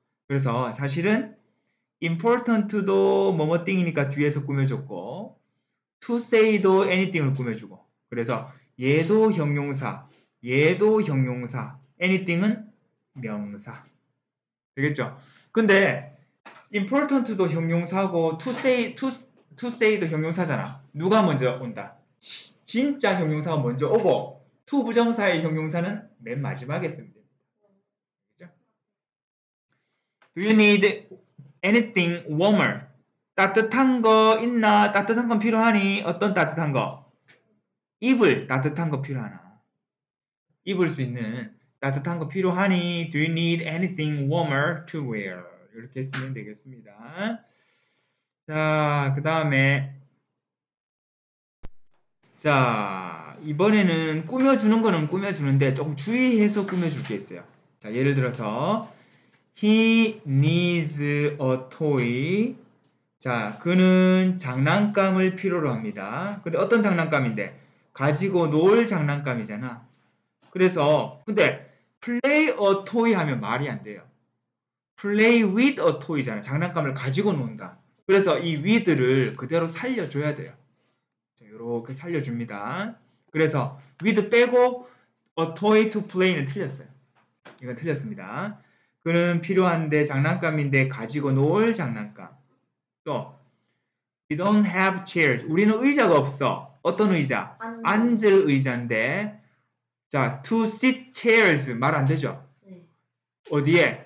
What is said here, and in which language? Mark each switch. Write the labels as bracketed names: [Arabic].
[Korean] 그래서 사실은 important도 뭐뭐 thing이니까 뒤에서 꾸며줬고 to say도 anything을 꾸며주고 그래서 얘도 형용사, 얘도 형용사, anything은 명사 되겠죠? 근데 important도 형용사고 to say도 형용사잖아. 누가 먼저 온다? 진짜 형용사가 먼저 오고 to 부정사의 형용사는 맨 마지막에 쓰면 됩니다. [English] Do you need anything warmer? [Korean] 따뜻한 거 있나? 따뜻한 건 필요하니? 어떤 따뜻한 거? 입을 따뜻한 거 필요하나? 입을 수 있는 따뜻한 거 필요하니? [English] Do you need anything warmer to wear? [Korean] 이렇게 쓰면 되겠습니다. 자, 그 다음에 자, 이번에는 꾸며주는 거는 꾸며주는데 조금 주의해서 꾸며줄 게 있어요. 자, 예를 들어서 [English] He needs a toy. [Korean] 자, 그는 장난감을 필요로 합니다. 근데 어떤 장난감인데? 가지고 놀 장난감이잖아. 그래서 근데 [English] play a toy [Korean] 하면 말이 안 돼요. [English] Play with a toy잖아. [Korean] 장난감을 가지고 논다. 그래서 이 with를 그대로 살려줘야 돼요. 자, 이렇게 살려줍니다. 그래서 with 빼고 [English] a toy to play [Korean] 는 틀렸어요. 이건 틀렸습니다. 그는 필요한데 장난감인데 가지고 놀 장난감. 또 [English] We don't have chairs. [Korean] 우리는 의자가 없어. 어떤 의자? 앉을 의자인데 자, [English] to sit chairs [Korean] 말 안 되죠? 네. 어디에?